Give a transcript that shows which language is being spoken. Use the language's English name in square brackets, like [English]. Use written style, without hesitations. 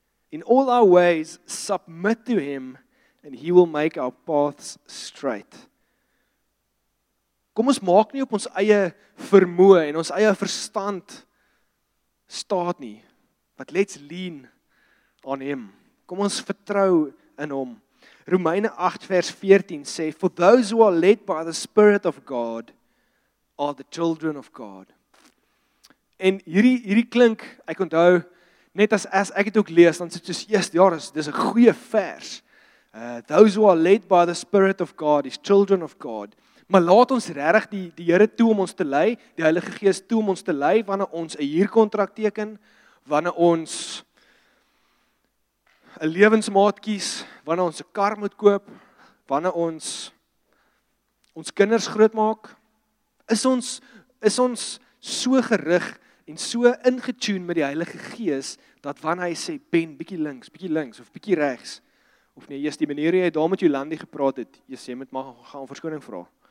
[English] In all our ways, submit to him and he will make our paths straight." [Afrikaans] Kom ons maak nie op ons eie vermoë en ons eie verstand staat nie. [English] But let's lean on him. [Afrikaans] Kom ons vertrou in hom. Romeine 8 vers 14 sê, [English] "For those who are led by the Spirit of God are the children of God." [Afrikaans] En hierdie klink, ek onthou, net as ek het ook lees, dan sê soos, yes, ja, dis 'n goeie vers. [English] Those who are led by the Spirit of God is children of God. [Afrikaans] Maar laat ons regtig die Here toe om ons te lei, die Heilige Gees toe om ons te lei, wanneer ons 'n huurkontrak teken, wanneer ons 'n lewensmaat kies, wanneer ons 'n kar moet koop, wanneer ons kinders grootmaak, is ons so gerig en so ingetune met die Heilige Gees, dat wanneer hy sê, "Ben, bietjie links, of bietjie regs," of nee, eers die manier hoe jy daar met Jolandi gepraat het, eers jy moet maar gaan verskoning vra.